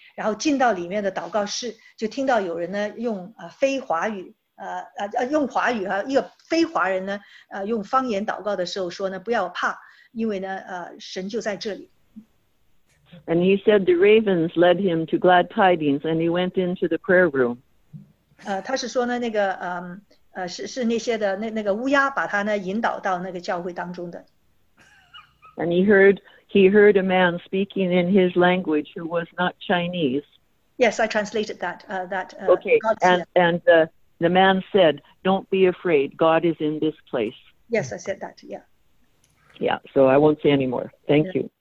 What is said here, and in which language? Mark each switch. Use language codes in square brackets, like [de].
[zh] 然后进到里面的祷告室，就听到有人呢用非华语，用华语啊，一个非华人呢，用方言祷告的时候说呢，不要怕，因为呢，神就在这里。 [en] And he said the ravens led him to glad tidings, and he went into the prayer room. [zh] 他是说呢，那个是那些的那个乌鸦把他呢引导到那个教会当中的。 [en] And he heard a man speaking in his language who was not Chinese. Yes, I translated that. Okay, the man said, don't be afraid, God is in this place. Yes, I said that, yeah. Yeah, so I won't say any more. Thank you.